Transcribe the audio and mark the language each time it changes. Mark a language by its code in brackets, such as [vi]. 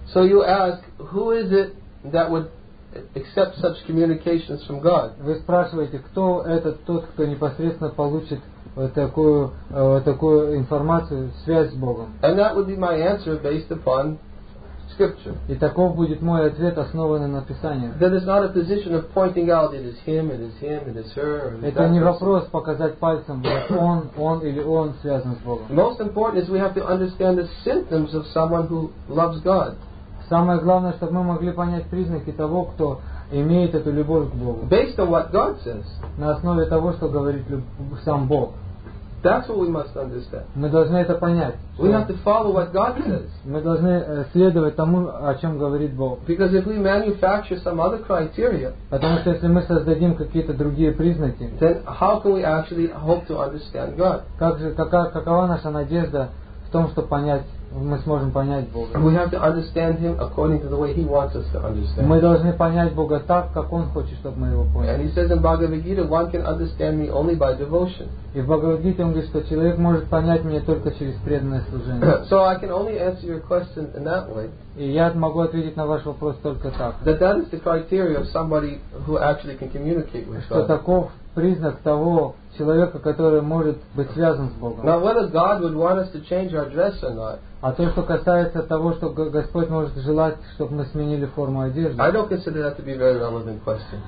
[en] So you ask, who is it that would accept such communications from God? [ru] Вы спрашиваете, кто этот тот, кто непосредственно получит такую информацию, связь с Богом? [en] And that would be my answer based upon Scripture. [ru] И таков будет мой ответ, основанный на Писании. [en] That is not a position of pointing out it is him, it is him, it is her. [ru] Это не вопрос показать пальцем, он или он связан с Богом. [en] Most important is we have to understand the symptoms of someone who loves God. [ru] Самое главное, чтобы мы могли понять признаки того, кто имеет эту любовь к Богу. [en] Based on what God says. [ru] На основе того, что говорит сам Бог. [en] That's what we must understand. [ru] Мы должны это понять. [en] We have to follow what God says. [ru] Мы должны следовать тому, о чем говорит Бог. [en] Because if we manufacture some other criteria, [ru] потому что если мы создадим какие-то другие признаки, [en] then how can we actually hope to understand God? [ru] Какова наша надежда в том, что понять? Мы сможем понять Бога. [en] We have to understand Him according to the way He wants us to understand. [ru] Мы должны понять Бога так, как Он хочет, чтобы мы Его поняли. [en] And He says in Bhagavad Gita, one can understand Me only by devotion. [ru] И в Bhagavad Gita Он говорит, что человек может понять Меня только через преданное служение. [en] So I can only answer your question in that way. [ru] И я могу ответить на ваш вопрос только так. [en] That is the criteria of somebody who actually can communicate with God. [ru] Что таков признак того человека, который может быть связан с Богом. [en] Now whether God would want us to change our dress or not. [ru] А то, что касается того, что Господь может желать, чтобы мы сменили форму одежды. [en] I don't consider that to be a very relevant question.